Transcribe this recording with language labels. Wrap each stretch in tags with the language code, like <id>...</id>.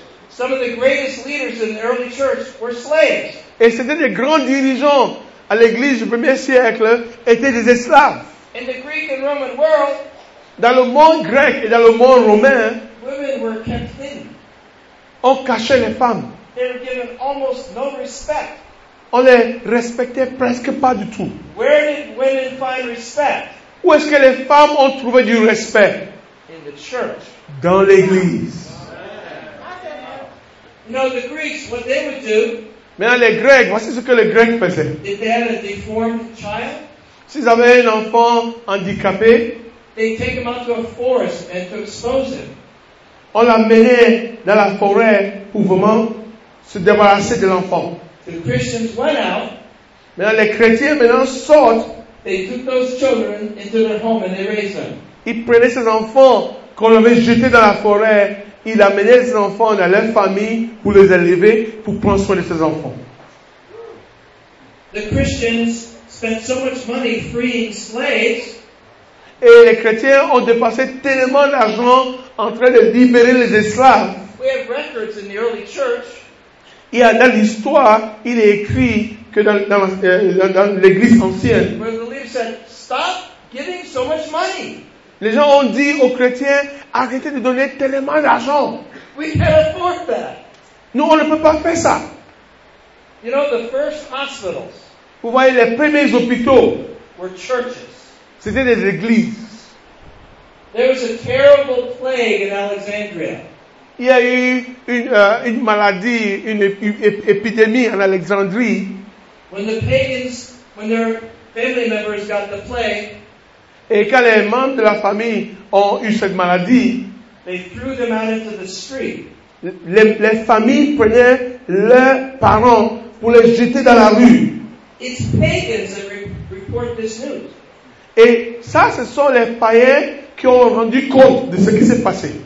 <en>Some of the greatest leaders in the early church were slaves.</en> <fr>Et c'était des grands dirigeants à l'église du premier siècle étaient des esclaves.</fr> <en>In the Greek and Roman world,</en> <fr>dans le monde grec et dans le monde romain,</fr> <en>women were kept hidden.</en> <fr>On cachait les femmes.</fr> <en>They were given almost no respect.</en> <fr>On les respectait presque pas du tout.</fr> <en>Where did women find respect?</en> <fr>Où est-ce que les femmes ont trouvé du respect?</fr> <en>In the church.</en> <fr>Dans l'église.</fr> <en>No, the Greeks, what they would do.</en> <fr>Mais les Grecs, voici ce que les Grecs faisaient.</fr> <en>If they had a deformed child.</en> <fr>S'ils avaient un enfant handicapé.</fr> <en>They take him out to a forest and to expose him.</en> <fr>On l'amenait dans la forêt pour vraiment se débarrasser de l'enfant.</fr> <en>The Christians went out.</en> <fr>Mais les chrétiens maintenant sortent.</fr> <en>They took those children into their home and they raised them.</en> <fr>Ils prenaient ces enfants qu'on avait jetés dans la forêt. Il amenait ses enfants dans leur famille pour les élever, pour prendre soin de ses enfants.</fr> <en>The Christians spent so much money freeing slaves.</en> <fr>Et les chrétiens ont dépensé tellement d'argent en train de libérer les esclaves.</fr> <en>We have records in the early church.</en> <fr>Et dans l'histoire, il est écrit que dans l'église ancienne,</fr> <en>where the leaders said, stop giving so much money.</en> <fr>Les gens ont dit aux chrétiens, arrêtez de donner tellement d'argent.</fr> <en>We can't afford that.</en> <fr>Nous, on ne peut pas faire ça.</fr> <en>You know, the first hospitals.</en> <fr>Vous voyez, les premiers hôpitaux</fr> <en>were churches.</en> <fr>C'était des églises.</fr> <en>There was a terrible plague in Alexandria.</en> <fr>Il y a eu une maladie, une épidémie en Alexandrie.</fr> <en>When the pagans, when their family members got the plague,</en> <fr>et quand les membres de la famille ont eu cette maladie,</fr> <en>they threw them out into the street.</en> <fr>Les familles prenaient leurs parents pour les jeter dans la rue.</fr> <en>It's pagans that report this news.</en> <fr>Et ça, ce sont les païens qui ont rendu compte de ce qui s'est passé.</fr>